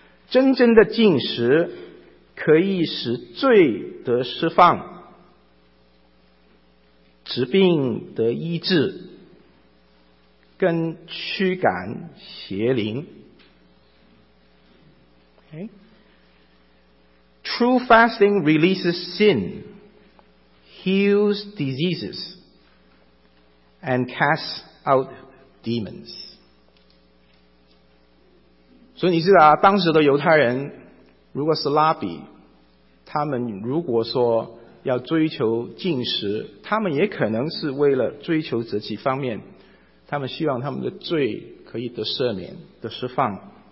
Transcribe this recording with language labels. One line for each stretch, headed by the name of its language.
Chinese: 真正的禁食可以使罪得释放，疾病得医治，跟驱赶邪灵。
English: True fasting releases sin, heals diseases, and casts out demons.
Chinese: 所以你知道啊，当时的犹太人，如果是拉比，他们如果说要追求禁食，他们也可能是为了追求这几方面，他们希望他们的罪可以得赦免、得释放。